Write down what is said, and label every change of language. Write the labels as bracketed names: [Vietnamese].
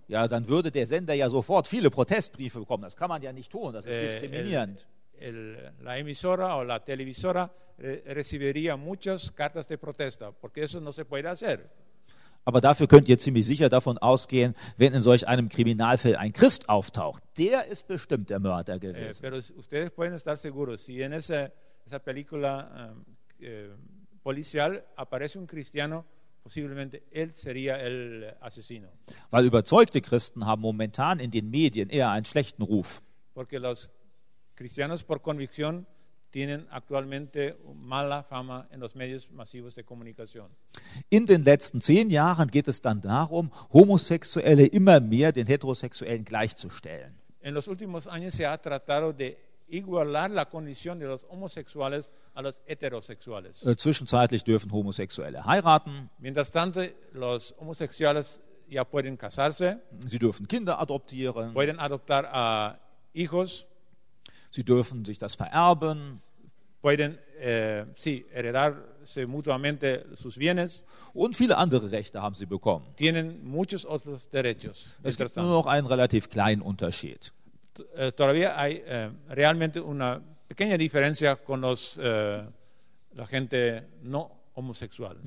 [German] Ja, dann würde der Sender ja sofort viele Protestbriefe bekommen. Das kann man ja nicht tun, das ist diskriminierend. [Spanish] La emisora o la televisora recibiría muchas cartas de protesta, porque eso no se puede hacer. [German] Aber dafür könnt ihr ziemlich sicher davon ausgehen, wenn in solch einem Kriminalfall ein Christ auftaucht, der ist bestimmt der Mörder gewesen. [Spanish] Pero ustedes pueden estar seguros, si en esa película policial aparece un cristiano, posiblemente él sería el asesino. [German] Weil überzeugte Christen haben momentan in den Medien eher einen schlechten Ruf. [Spanish] Porque los cristianos por convicción tienen actualmente mala fama en los medios masivos de comunicación. [German] In den letzten 10 Jahren geht es dann darum, Homosexuelle immer mehr den Heterosexuellen gleichzustellen. [Spanish] En los últimos años se ha tratado de igualar la condición de los homosexuales a los heterosexuales. [German] Zwischenzeitlich dürfen Homosexuelle heiraten. [Spanish] Mientras tanto, los homosexuales ya pueden casarse. [German] Sie dürfen Kinder adoptieren. [Spanish] Pueden adoptar a hijos. [German] Sie dürfen sich das vererben. [Spanish] Pueden heredarse mutuamente sus bienes. [German] Und viele andere Rechte haben sie bekommen. [Spanish] Tienen muchos otros derechos. [German] Es gibt nur noch einen relativ kleinen Unterschied. [Spanish] Todavía hay realmente una pequeña diferencia con los la gente no homosexual.